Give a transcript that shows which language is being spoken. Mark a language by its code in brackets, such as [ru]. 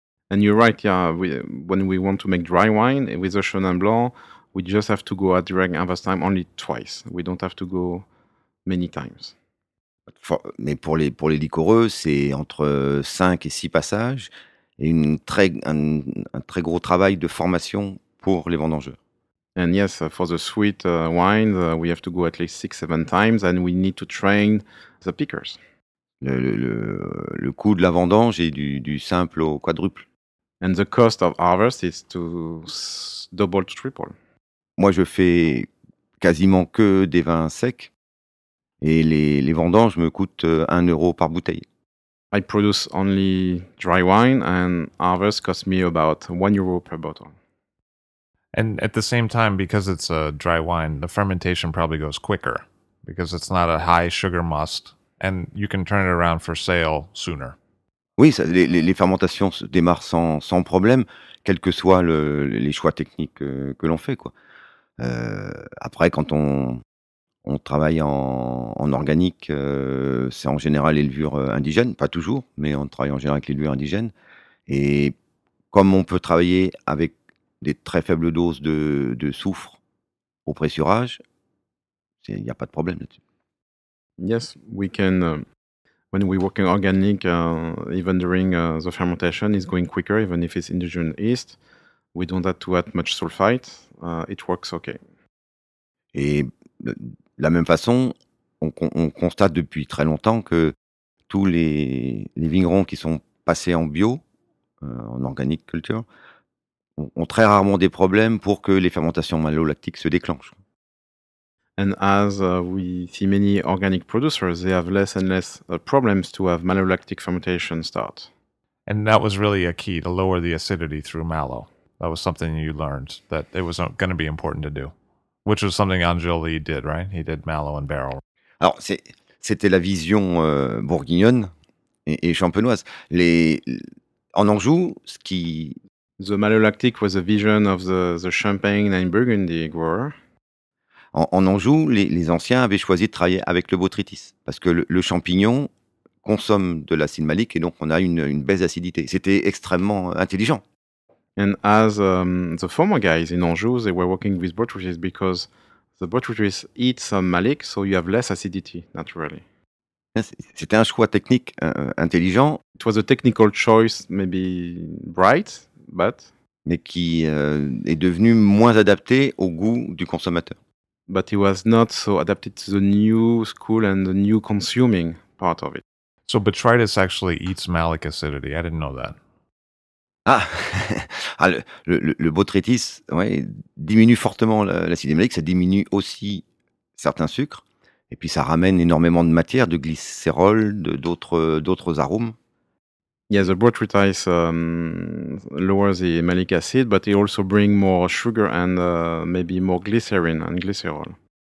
[en] And you're right, yeah, when we want to make dry wine with a Chenin Blanc, we just have to go at direct harvest time only twice. We don't have to go many times. [fr] Mais pour les liquoreux, c'est entre 5 et 6 passages et un très gros travail de formation pour les vendangeurs. [en] And yes, for the sweet wines, we have to go at least 6-7 times and we need to train the pickers. [fr] Le coût de la vendange est du simple au quadruple. [en] And the cost of harvest is to double to triple. [fr] Moi, je fais quasiment que des vins secs et les vendanges me coûtent 1 euro par bouteille. [en] I produce only dry wine and harvest costs me about 1 euro per bottle. And at the same time, because it's a dry wine, the fermentation probably goes quicker because it's not a high sugar must and you can turn it around for sale sooner. [fr] Oui, ça, les fermentations se démarrent sans problème, quels que soient les choix techniques que l'on fait, quoi. Après, quand on travaille en organique, c'est en général les levures indigènes, pas toujours, mais on travaille en général avec les levures indigènes. Et comme on peut travailler avec des très faibles doses de soufre au pressurage, il n'y a pas de problème là-dessus. [en] Yes, we can... When we're working organic, even during the fermentation, it's going quicker, even if it's indigenous yeast. We don't have to add much sulfite. It works okay. [fr] Et de la même façon, on constate depuis très longtemps que tous les vignerons qui sont passés en bio, en [en] organic culture, [fr] ont très rarement des problèmes pour que les fermentations malolactiques se déclenchent. [en] And as we see many organic producers, they have less and less problems to have malolactic fermentation start. And that was really a key to lower the acidity through malo. That was something you learned that it was going to be important to do, which was something Angel Lee did, right? He did malo and barrel. [fr] Alors, c'était la vision bourguignonne et champenoise. En Anjou, ce qui... [en] The malolactic was a vision of the Champagne and Burgundy grower. [fr] En Anjou, les anciens avaient choisi de travailler avec le botrytis, parce que le champignon consomme de l'acide malique et donc on a une baisse d'acidité. C'était extrêmement intelligent. [en] And as the former guys in Anjou, they were working with botrytis because the botrytis eats some malic, so you have less acidity naturally. [fr] C'était un choix technique intelligent. [en] It was a technical choice, maybe bright, but. [fr] Mais qui est devenu moins adapté au goût du consommateur. [en] But it was not so adapted to the new school and the new consuming part of it. So botrytis actually eats malic acidity. I didn't know that. [fr] Ah, le botrytis, ouais, diminue fortement l'acide malique. Ça diminue aussi certains sucres. Et puis ça ramène énormément de matière, de glycérol, d'autres arômes. [en] Yeah, the botrytis lowers the malic acid, but it also brings more sugar and maybe more glycerin and glycerol.